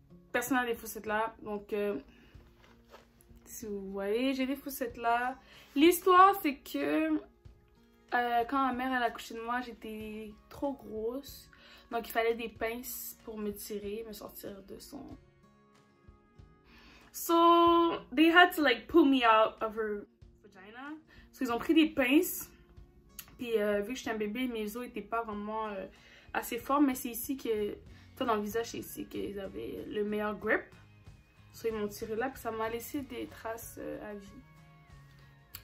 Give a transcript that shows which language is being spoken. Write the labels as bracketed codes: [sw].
[fr] Personne n'a des fossettes là. Donc, si vous voyez, j'ai des fossettes là. L'histoire, c'est que quand ma mère elle a accouché de moi, j'étais trop grosse. Donc, il fallait des pinces pour me tirer, me sortir de son... [en] So, they had to like pull me out of her... [fr] Parce qu'ils ont pris des pinces, puis vu que j'étais un bébé, mes os étaient pas vraiment assez forts, mais c'est ici que, dans le visage, c'est ici qu'ils avaient le meilleur grip. So, ils m'ont tiré là, puis ça m'a laissé des traces à vie.